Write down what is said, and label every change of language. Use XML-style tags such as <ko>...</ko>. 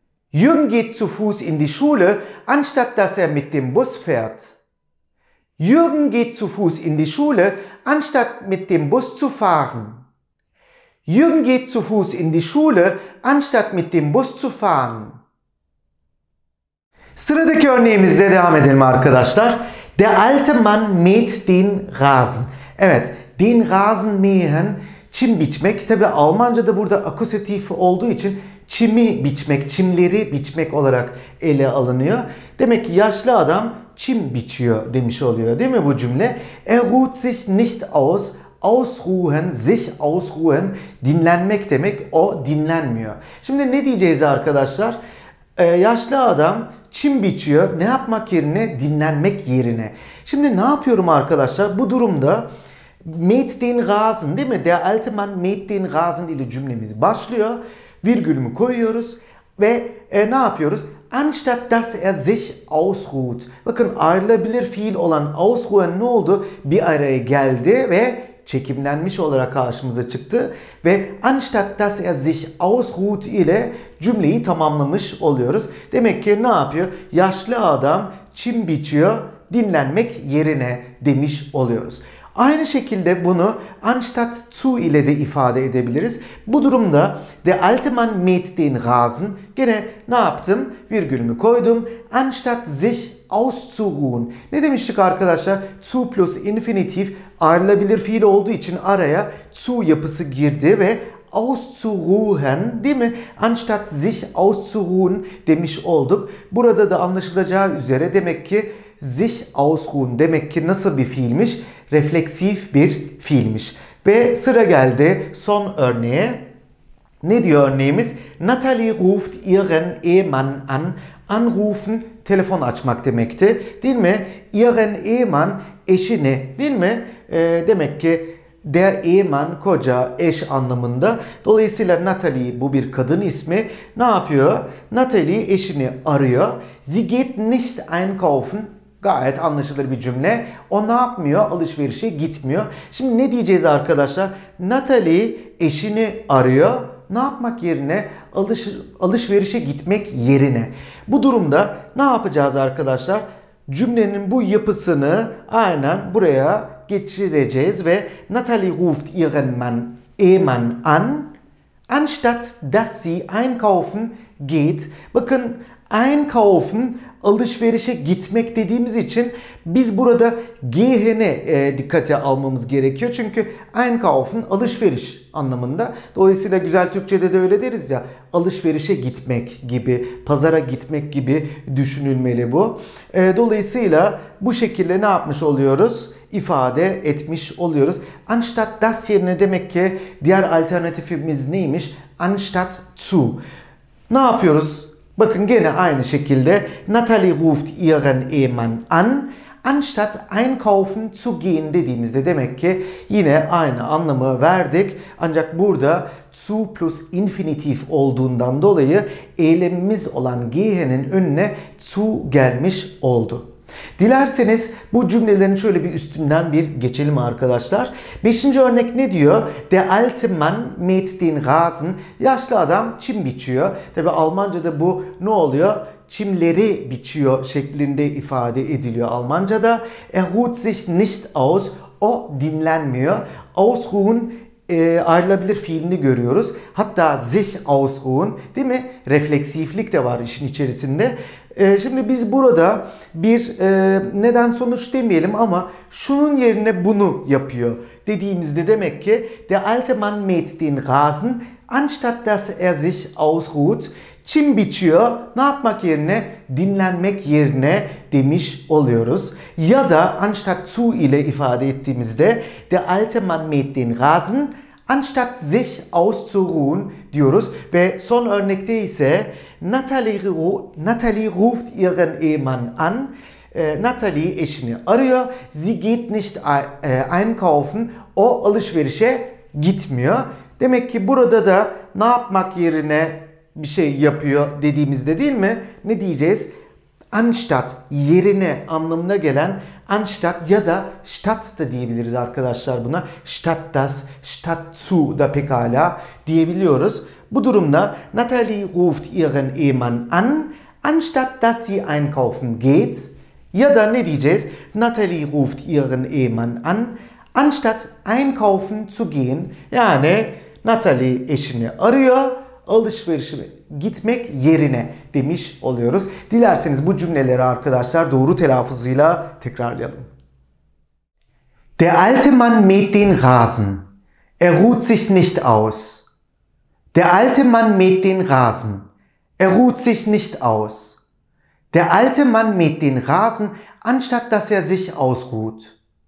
<de>Jürgen geht zu Fuß in die Schule, anstatt dass er mit dem Bus fährt. Jürgen geht zu Fuß in die Schule, anstatt mit dem Bus zu fahren. Jürgen geht zu Fuß in die Schule, anstatt mit dem Bus zu fahren.</de> <tr>Sıradaki örneğimizde devam edelim arkadaşlar.</tr> <de>Der alte Mann mäht den Rasen.</de> <tr>Evet,</tr> <de>den Rasen mähen,</de> <tr>çim biçmek. Tabi Almanca'da burada akusatif olduğu için çimi biçmek, çimleri biçmek olarak ele alınıyor. Demek ki yaşlı adam çim biçiyor demiş oluyor. Değil mi bu cümle?</tr> <de>Er ruht sich nicht aus. Ausruhen, sich ausruhen,</de> <tr>dinlenmek demek. O dinlenmiyor. Şimdi ne diyeceğiz arkadaşlar? Yaşlı adam çim biçiyor. Ne yapmak yerine? Dinlenmek yerine. Şimdi ne yapıyorum arkadaşlar? Bu durumda</tr> <de>mäht den Rasen,</de> <tr>değil mi?</tr> <de>Der alte Mann mäht den Rasen</de> <tr>ile cümlemiz başlıyor. Virgülümü koyuyoruz ve ne yapıyoruz?</tr> <de>Anstatt dass er sich ausruht.</de> <tr>Bakın ayrılabilir fiil olan ausruhen ne oldu? Bir araya geldi ve çekimlenmiş olarak karşımıza çıktı. Ve</tr> <de>anstatt dass er sich ausruht</de> <tr>ile cümleyi tamamlamış oluyoruz. Demek ki ne yapıyor? Yaşlı adam çim biçiyor, dinlenmek yerine demiş oluyoruz. Aynı şekilde bunu anstatt zu ile de ifade edebiliriz. Bu durumda</tr> <de>der alte Mann mäht den Rasen.</de> <tr>Gene ne yaptım? Virgülümü koydum. Anstatt sich auszuruhen. Ne demiştik arkadaşlar? Zu plus infinitif ayrılabilir fiil olduğu için araya zu yapısı girdi ve auszuruhen, değil mi?</tr> <de>Anstatt sich auszuruhen</de> <tr>demiş olduk. Burada da anlaşılacağı üzere demek ki</tr> <de>sich ausruhen</de> <tr>demek ki nasıl bir fiilmiş? Refleksif bir fiilmiş. Ve sıra geldi son örneğe. Ne diyor örneğimiz?</tr> <de>Natalie ruft ihren Ehemann an.</de> <tr>Anrufen, telefon açmak demekti. Değil mi?</tr> <de>Ihren Ehemann,</de> <tr>eşini. Değil mi? Demek ki der Ehemann, koca, eş anlamında. Dolayısıyla Natalie, bu bir kadın ismi. Ne yapıyor? Natalie eşini arıyor.</tr> <de>Sie geht nicht einkaufen.</de> <tr>Gayet anlaşılır bir cümle. O ne yapmıyor? Alışverişe gitmiyor. Şimdi ne diyeceğiz arkadaşlar? Natalie eşini arıyor. Ne yapmak yerine? Alışverişe gitmek yerine. Bu durumda ne yapacağız arkadaşlar? Cümlenin bu yapısını aynen buraya geçireceğiz.</tr> <de>Ve Natalie ruft ihren Mann, Ehemann an. Anstatt dass sie einkaufen geht.</de> <tr>Bakın einkaufen, alışverişe gitmek dediğimiz için biz burada gehen'e dikkate almamız gerekiyor. Çünkü einkaufen, alışveriş anlamında. Dolayısıyla güzel Türkçe'de de öyle deriz ya, alışverişe gitmek gibi, pazara gitmek gibi düşünülmeli bu. Dolayısıyla bu şekilde ne yapmış oluyoruz? İfade etmiş oluyoruz. Anstatt das yerine demek ki diğer alternatifimiz neymiş?</tr> <de>Anstatt zu.</de> <tr>Ne yapıyoruz? Bakın gene aynı şekilde</tr> <de>Natalie ruft ihren Ehemann an, anstatt einkaufen zu gehen</de> <tr>dediğimizde demek ki yine aynı anlamı verdik. Ancak burada zu plus infinitif olduğundan dolayı eylemimiz olan gehen'in önüne zu gelmiş oldu. Dilerseniz bu cümlelerin şöyle bir üstünden bir geçelim arkadaşlar. Beşinci örnek ne diyor?</tr> <de>Der alte Mann mäht den Rasen.</de> <tr>Yaşlı adam çim biçiyor. Tabi Almanca'da bu ne oluyor? Çimleri biçiyor şeklinde ifade ediliyor Almanca'da.</tr> <de>Er ruht sich nicht aus.</de> <tr>O dinlenmiyor. Ausruhen ayrılabilir fiilini görüyoruz. Hatta</tr> <de>sich ausruhen,</de> <tr>değil mi? Refleksiflik de var işin içerisinde. Şimdi biz burada bir neden sonuç demeyelim ama şunun yerine bunu yapıyor dediğimizde demek ki</tr> <de>der alte Mann mäht den Rasen anstatt dass er sich ausruht,</de> <tr>çim biçiyor, ne yapmak yerine? Dinlenmek yerine demiş oluyoruz. Ya da anstatt zu ile ifade ettiğimizde der alte Mann mäht den Rasen anstatt sich auszuruhen diyoruz. Ve son örnekte ise</tr> <de>Natalie ruft ihren Ehemann an.</de> <tr>Natalie eşini arıyor.</tr> <de>Sie geht nicht einkaufen.</de> <tr>O alışverişe gitmiyor. Demek ki burada da ne yapmak yerine bir şey yapıyor dediğimizde değil mi? Ne diyeceğiz? Anstatt yerine anlamına gelen anstatt ya da statt da diyebiliriz arkadaşlar buna. Statt das, statt zu da pekala diyebiliyoruz. Bu durumda</tr> <de>Natalie ruft ihren Ehemann an, anstatt dass sie einkaufen geht.</de> <tr>Ya da ne diyeceğiz?</tr> <de>Natalie ruft ihren Ehemann an, anstatt einkaufen zu gehen.</de> <tr>Yani Natalie eşini arıyor, alışverişe gitmek yerine demiş oluyoruz. Dilerseniz bu cümleleri arkadaşlar doğru telaffuzuyla tekrarlayalım.</tr> <de>Der alte Mann mäht den Rasen. Er ruht sich nicht aus. Der alte Mann mäht den Rasen. Er ruht sich nicht aus. Der alte Mann mäht den Rasen, anstatt dass er sich ausruht.</de>